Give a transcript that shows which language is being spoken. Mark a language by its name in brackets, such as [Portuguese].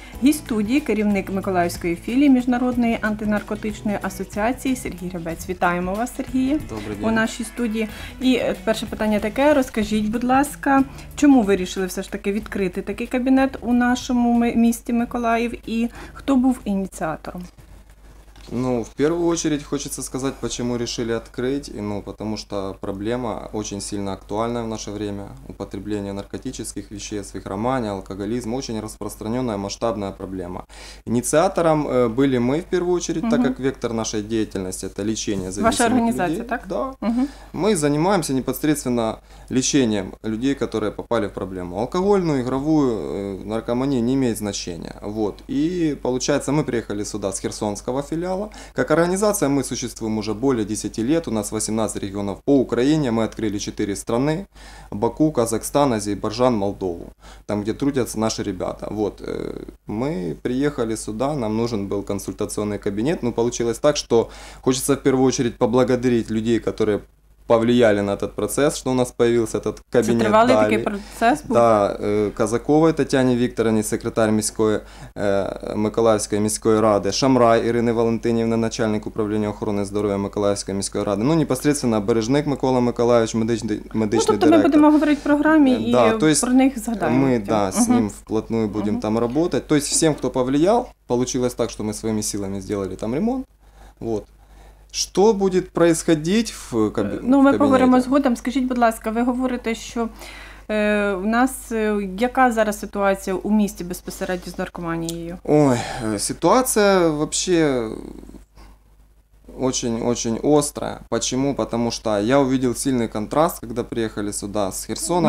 [Ukrainian] Гість студії – керівник Миколаївської філії Міжнародної антинаркотичної асоціації Сергій Рябець. Вітаємо вас, Сергію. Добрий день. У нашій студії. І перше питання таке. Розкажіть, будь ласка, чому ви вирішили все ж таки відкрити такий кабінет у нашому місті Миколаїв і хто був ініціатором? [Russian] Ну, в первую очередь хочется сказать, почему решили открыть. Ну, потому что проблема очень сильно актуальна в наше время. Употребление наркотических веществ, их романия, алкоголизм – очень распространенная, масштабная проблема. Инициатором были мы, в первую очередь, так как вектор нашей деятельности – это лечение зависимых людей. Ваша организация, людей. Так? Да. Мы занимаемся непосредственно лечением людей, которые попали в проблему. Алкогольную, игровую, наркомания не имеет значения. Вот. И получается, мы приехали сюда с Херсонского филиала. Как организация мы существуем уже более 10 лет, у нас 18 регионов по Украине, мы открыли 4 страны, Баку, Казахстан, Азербайджан, Молдову, там где трудятся наши ребята. Вот, мы приехали сюда, нам нужен был консультационный кабинет, но получилось так, что хочется в первую очередь поблагодарить людей, которые повлияли на этот процесс, что у нас появился этот кабинет. [Ukrainian] Це тривалий такий процес був? Да, Казаковой Татьяне Викторовне, секретарь міської, Миколаївської міської ради, Шамрай Ірини Валентинівни, начальник управління охорони здоров'я Миколаївської міської ради, [Russian] ну, непосредственно [Ukrainian] Бережник Микола Миколаївич, медичний директор. Ну, тобто ми будемо говорити в програмі і [Russian] да, [Ukrainian] про них згадаємо. Ми, да, з ним вплотную будемо там работать. Тобто всім, хто повлияв, [Russian] получилось так, [Ukrainian] що ми своїми силами зробили там ремонт. Вот. Що буде відбуватися в кабінеті? Ну, ми поговоримо згодом. Скажіть, будь ласка, ви говорите, що у нас яка зараз ситуація у місті безпосередньо з наркоманією? Ой, ситуація взагалі [Russian] очень-очень остра. Почему? Потому что я увидел сильный контраст, когда приехали сюда с Херсона.